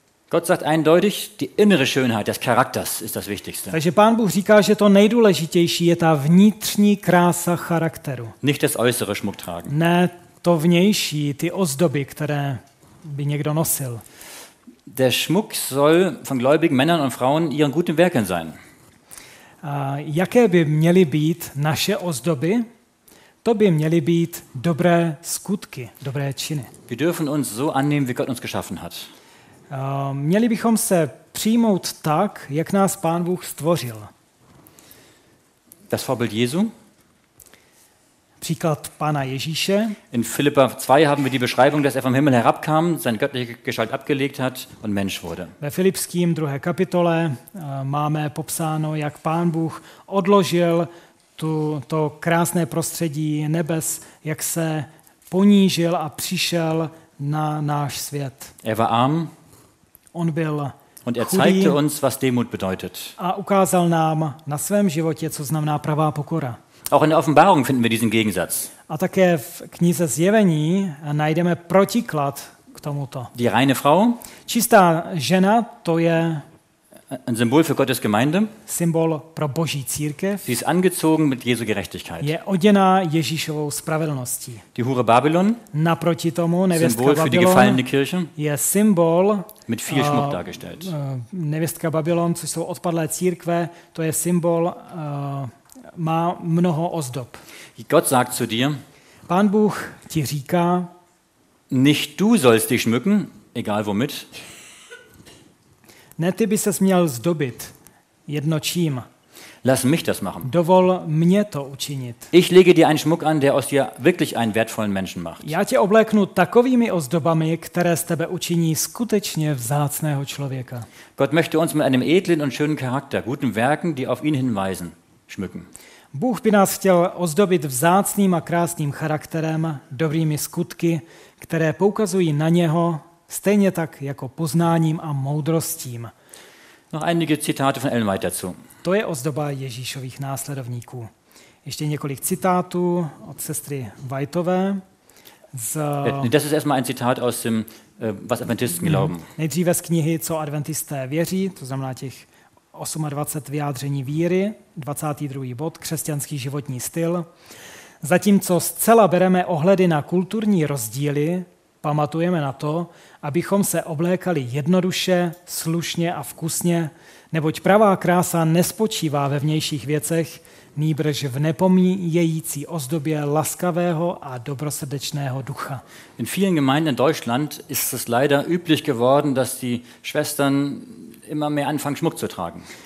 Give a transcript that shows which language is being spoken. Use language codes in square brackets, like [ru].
[de] Gott sagt eindeutig, die innere Schönheit des Charakters ist das Wichtigste. [cs] Takže Pán Bůh říká, že to nejdůležitější je ta vnitřní krása charakteru. [de] Nicht das äußere Schmuck tragen. [cs] Ne to vnější, ty ozdoby, které by někdo nosil. [de] Der Schmuck soll von gläubigen Männern und Frauen ihren guten Werken sein. [cs] Jaké by měly být naše ozdoby? To by měly být dobré skutky, dobré činy. [de] Wir dürfen uns so annehmen, wie Gott uns geschaffen hat. [cs] Měli bychom se přijmout tak, jak nás Pán Bůh stvořil. [de] Das Vorbild Jesu. [cs] Příklad Pána Ježíše. [de] In Philipper 2 haben wir die Beschreibung, dass er vom Himmel herabkam, sein göttliche Gestalt abgelegt hat und Mensch wurde. [cs] Ve Filipským 2. kapitole máme popsáno, jak Pán Bůh odložil to krásné prostředí nebes, jak se ponížil a přišel na náš svět. [de] Er war arm. [cs] On byl [de] und er zeigte uns, was Demut bedeutet. [cs] A ukázal nám na svém životě, co znamená pravá pokora. [de] Auch in der Offenbarung finden wir diesen Gegensatz. [cs] A také v knize Zjevení najdeme protiklad k tomuto. [de] Die reine Frau. [cs] Čistá žena, to je [de] ein Symbol für Gottes Gemeinde. [cs] Symbol pro Boží církev. [de] Sie ist angezogen mit Jesu Gerechtigkeit. [cs] Je oděná Ježíšovou spravedlností. [de] Die Hure Babylon. [cs] Naproti tomu nevěstka Babylon. [de] Symbol für die gefallene Kirche. [cs] Je symbol [de] mit viel Schmuck dargestellt. [cs] Nevěstka Babylon, což jsou odpadlé církve, to je symbol, má mnoho ozdob. [de] Gott sagt zu dir. [cs] Pán Bůh ti říká. [de] Nicht du sollst dich schmücken, egal womit. [cs] Ne, ty bys měl zdobit jedno čím. [de] Lass mich das machen. [cs] Dovol mě to učinit. [de] Ich lege dir einen Schmuck an, der aus dir wirklich einen wertvollen Menschen macht. [cs] Já tě obléknu takovými ozdobami, které z tebe učiní skutečně vzácného člověka. [de] Gott möchte uns mit einem edlen und schönen Charakter, guten Werken, die auf ihn hinweisen, schmücken. [cs] Bůh by nás chtěl ozdobit vzácným a krásným charakterem, dobrými skutky, které poukazují na něho, stejně tak jako poznáním a moudrostím. [de] Noch einige Zitate von Ellen White dazu. [cs] To je ozdoba Ježíšových následovníků. Ještě několik citátů od sestry Whiteové. [de] Das ist erstmal ein Zitat aus dem was Adventisten glauben. [cs] Nejdříve z knihy, co adventisté věří, to znamená těch 28 vyjádření víry, 22. bod, křesťanský životní styl. Zatímco zcela bereme ohledy na kulturní rozdíly, pamatujeme na to, abychom se oblékali jednoduše, slušně a vkusně, neboť pravá krása nespočívá ve vnějších věcech, nýbrž v nepomíjející ozdobě laskavého a dobrosrdečného ducha. [de] In vielen Gemeinden in Deutschland ist es leider üblich geworden, dass die Schwestern immer mehr anfangen Schmuck zu tragen.